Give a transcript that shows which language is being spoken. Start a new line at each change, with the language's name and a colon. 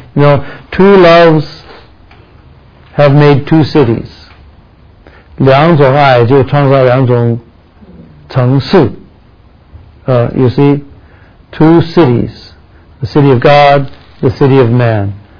English: You know, two loves have made two cities.
Chinese: 两种爱就创造两种城市。
English: You see, two cities, the city of God, the city of man.